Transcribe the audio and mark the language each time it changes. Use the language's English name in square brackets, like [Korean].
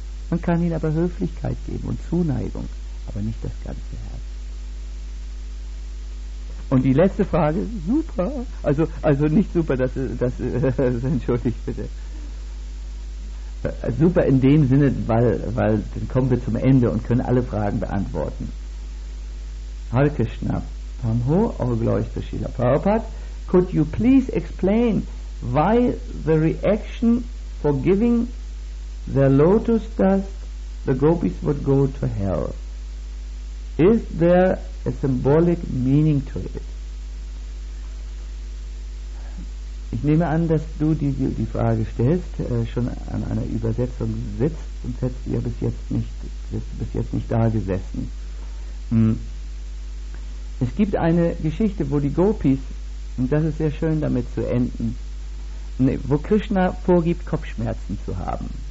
[German] Man kann ihnen aber Höflichkeit geben und Zuneigung, aber nicht das ganze Herz. Und die letzte Frage, super, also nicht super, das entschuldigt bitte. Super in dem Sinne, weil dann kommen wir zum Ende und können alle Fragen beantworten. [English] Hare Krishna, Pamho, Augleuchter Srila Prabhupada, could you please explain why the reaction for giving their lotus dust the gopis would go to hell? Is there a symbolic meaning to it? [German] Ich nehme an, dass du die Frage stellst, schon an einer Übersetzung sitzt und hättest ja bis jetzt nicht da gesessen. Es gibt eine Geschichte, wo die Gopis, und das ist sehr schön damit zu enden, wo Krishna vorgibt, Kopfschmerzen zu haben.